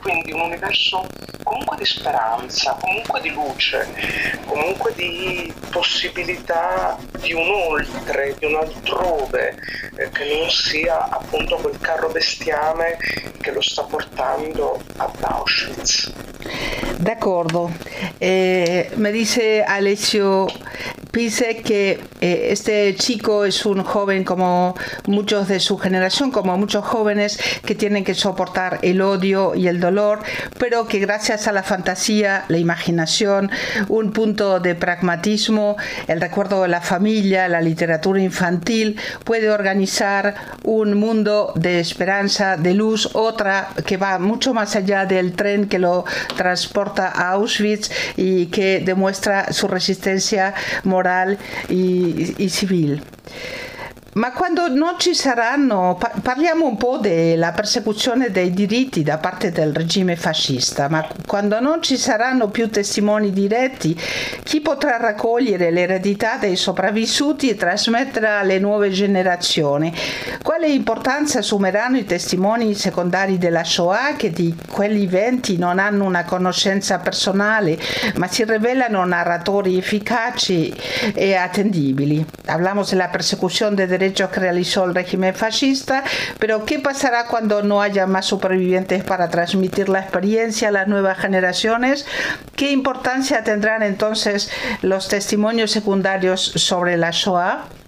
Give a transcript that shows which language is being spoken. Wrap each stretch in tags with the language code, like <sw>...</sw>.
<it>Quindi un universo comunque di speranza, comunque di luce, comunque di possibilità di un oltre, di un altrove, che non sia appunto quel carro bestiame che lo sta portando ad Auschwitz. D'accordo.</it> <es>Me dice Alessio Pizek que este chico es un joven como muchos de su generación, como muchos jóvenes que tienen que soportar el odio y el dolor, pero que gracias a la fantasía, la imaginación, un punto de pragmatismo, el recuerdo de la familia, la literatura infantil, puede organizar un mundo de esperanza, de luz, otra que va mucho más allá del tren que lo transporta a Auschwitz y que demuestra su resistencia moral y civil.</es> <it>Ma quando non ci saranno, parliamo un po' della persecuzione dei diritti da parte del regime fascista, ma quando non ci saranno più testimoni diretti, chi potrà raccogliere l'eredità dei sopravvissuti e trasmetterla alle nuove generazioni? Quale importanza assumeranno i testimoni secondari della Shoah che di quegli eventi non hanno una conoscenza personale, ma si rivelano narratori efficaci e attendibili?</it> <es>Hablamo</es> <it>della persecuzione dei</it> <es>derechos que realizó el régimen fascista, pero ¿qué pasará cuando no haya más supervivientes para transmitir la experiencia a las nuevas generaciones? ¿Qué importancia tendrán entonces los testimonios secundarios sobre la Shoah?</es>